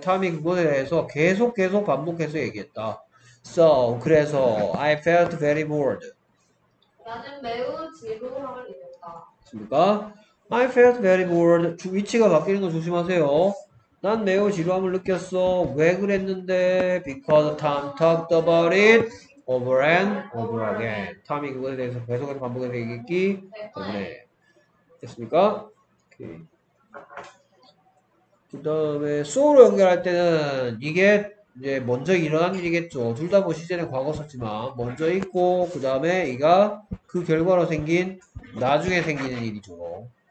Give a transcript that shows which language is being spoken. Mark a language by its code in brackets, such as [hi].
[ko] Tom이 그거에 대해서 계속 계속 반복해서 얘기했다. [en] So, [ko] 그래서 [en] I felt very bored. [ko] 나는 매우 지루함을 느꼈다. 맞습니까? [en] I felt very bored. [ko] 위치가 바뀌는 거 조심하세요. 난 매우 지루함을 느꼈어. 왜 그랬는데? [en] Because Tom talked about it over and over again. [ko] Tom이 그거에 대해서 계속해서 반복해서 얘기했기 때문에. 됐습니까? 오케이. 그 다음에 so로 연결할 때는 이게 이제 먼저 일어난 일이겠죠. 둘 다 뭐 시제는 과거 썼지만 먼저 있고 그 다음에 이가 그 결과로 생긴 나중에 생기는 일이죠.